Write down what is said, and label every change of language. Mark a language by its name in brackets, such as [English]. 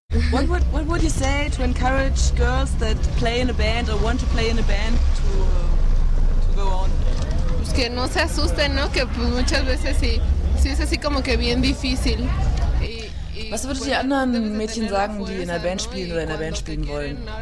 [English] What would you say to encourage girls that play in a band or want to play in a band to go on? [Spanish] Que no se asusten, ¿no? Que pues, muchas veces sí es así como que bien difícil. [German] Was würdet ihr anderen Mädchen sagen, die in der Band spielen oder in der Band spielen wollen?